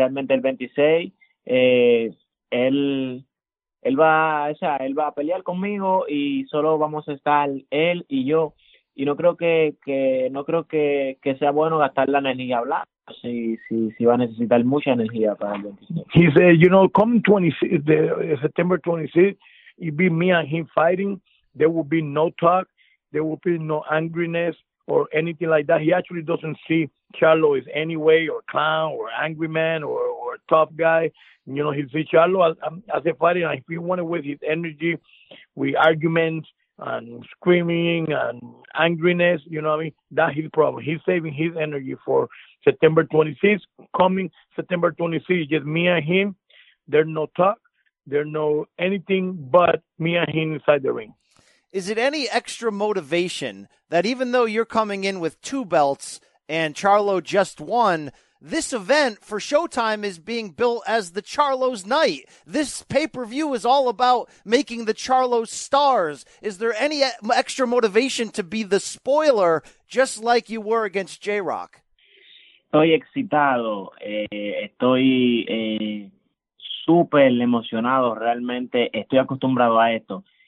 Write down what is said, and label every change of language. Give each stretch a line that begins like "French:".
Spanish: Realmente el 26, él va a pelear conmigo y solo vamos a estar él y yo. Y no creo que sea bueno gastar la energía hablando. Si va a necesitar mucha energía para el 26.
English: He said, you know, come 26, September 26, it be me and him fighting. There will be no talk. There will be no angriness or anything like that. He actually doesn't see Charlo as anyway or clown or angry man or tough guy. You know, he sees Charlo as a fighter. And if he want to waste his energy with arguments and screaming and angriness, you know what I mean? That's his problem. He's saving his energy for September 26th. Coming September 26th, just me and him. There's no talk. There's no anything but me and him inside the ring. Is it any extra motivation that even though you're coming in with two belts and Charlo just won, this event for Showtime is being built as the Charlo's night? This pay-per-view is all about making the Charlo's stars. Is there any extra motivation to be the spoiler, just like you were against J-Rock?
Spanish: Estoy excitado. Estoy super emocionado. Realmente estoy acostumbrado a esto.